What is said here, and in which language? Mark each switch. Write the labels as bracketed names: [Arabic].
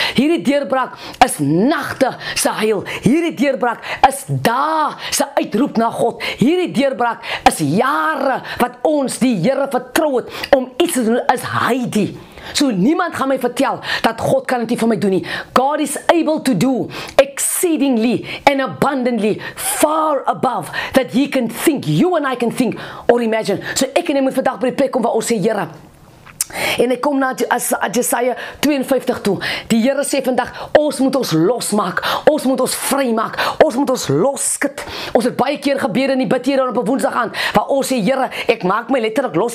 [Afrikaans] Hierdie deurbraak is nagte se huil. Hierdie deurbraak is dae se uitroep na God. Hierdie deurbraak is jare wat ons die Here vertrou het om iets te doen is hy die. So niemand gaan my vertel dat God kan dit nie vir my doen nie. [English] God is able to do exceedingly and abundantly far above that he can think, you and I can think or imagine. [Afrikaans] So ek en jy moet vandag by die plek kom waar ons sê, Here. En ek kom na Jesaja 52 toe. Die Here sê vandag, ons moet ons losmaak. Ons moet ons vrymaak. Ons moet ons losskit. Ons het baie keer gebede in die bid hier op 'n Woensdag aan, waar ons sê, Here, ek maak my letterlik los.